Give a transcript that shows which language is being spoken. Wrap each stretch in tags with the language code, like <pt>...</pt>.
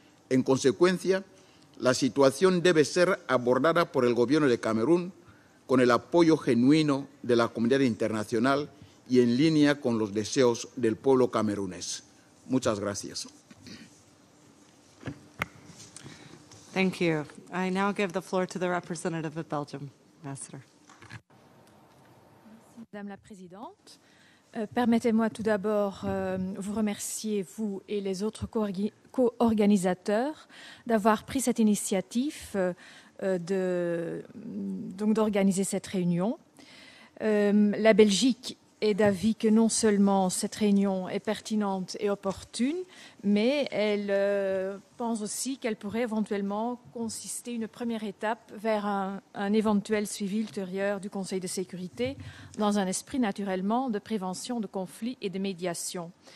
<es>En consecuencia, la situación debe ser abordada por el Gobierno de Camerún con el apoyo genuino de la comunidad internacional y en línea con los deseos del pueblo camerunés. Muchas gracias.</es> <en>Thank you. I now give the floor to the representative of Belgium, Ambassador.</en> <fr>Madame la Présidente. Permettez-moi tout d'abord vous remercier, vous et les autres co-organisateurs, d'avoir pris cette initiative d'organiser cette réunion. La Belgique est d'avis que non seulement cette réunion est pertinente et opportune, mais elle pense aussi qu'elle pourrait éventuellement consister une première étape vers un éventuel suivi ultérieur du Conseil de sécurité dans un esprit naturellement de prévention de conflits et de médiation.</fr>